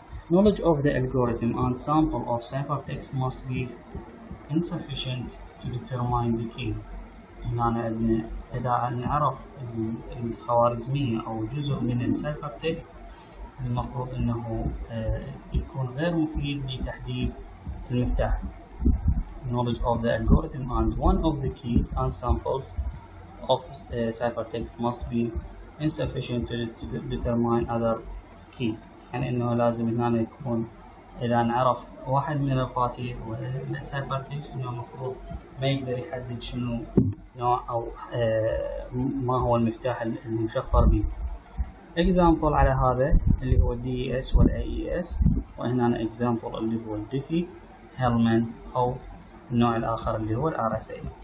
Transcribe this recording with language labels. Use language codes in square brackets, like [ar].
[en] Knowledge of the algorithm and sample of ciphertext must be insufficient to determine the key. [ar] هنا عندنا إذا نعرف الخوارزمية أو جزء من الciphertext المفروض انه يكون غير مفيد لتحديد المفتاح. [en] Knowledge of the algorithm and one of the keys and samples of ciphertext must be insufficient to determine other key. [ar] يعني انه لازم هنا يكون اذا نعرف واحد من المفاتيح والسيفرتكس انه المفروض ما يقدر يحدد شنو نوع او ما هو المفتاح المشفر به. اكزامبل على هذا اللي هو دي اس والاي اس، وهنا اكزامبل اللي هو الديفي هيلمان او النوع الاخر اللي هو الار اس اي.